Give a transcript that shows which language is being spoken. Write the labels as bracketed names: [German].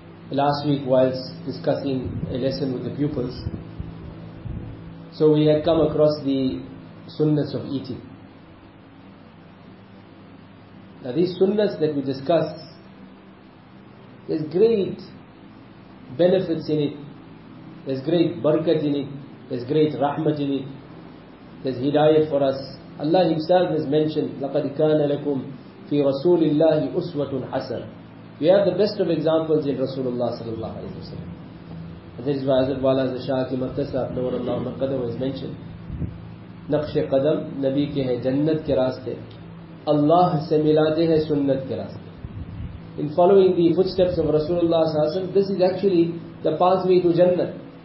[English] Last week, whilst discussing a lesson with the pupils, so we had come across the sunnahs of eating. Now these sunnahs that we discussed, there's great benefits in it, there's great barakat in it, there's great rahmat in it, there's hidayat for us. Allah Himself has mentioned, [Arabic] لَقَدْ كَانَ لَكُمْ فِي رَسُولِ اللَّهِ أُسْوَةٌ حَسَنٌ. [English] We have the best of examples in Rasulullah sallallahu alayhi wa sallam. And that is why Hazrat Wala Hazrat Shah Ki Muhtasab Nawar Allah Maqadam has mentioned, [Urdu] نقش قدم نبی کے ہیں جنت کے راستے، اللہ سے ملاتے ہیں سنت کے راستے. [English] In following the footsteps of Rasulullah sallallahu alayhi wa sallam, this is actually the pathway to Jannah.